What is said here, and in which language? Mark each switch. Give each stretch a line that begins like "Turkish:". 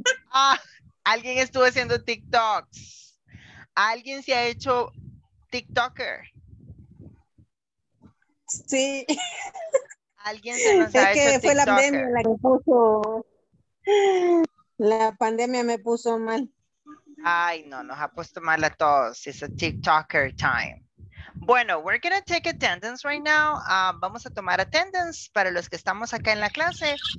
Spanish: Ah, alguien estuvo haciendo TikToks. Alguien se ha hecho TikToker. Sí. Alguien se nos ha es hecho que fue TikToker. La pandemia la que puso. La pandemia me puso mal. Ay, no, nos ha puesto mal a todos.
English: It's a TikToker time. Bueno, we're going to take attendance right now.
Spanish: Vamos a tomar attendance para los que estamos acá en la clase.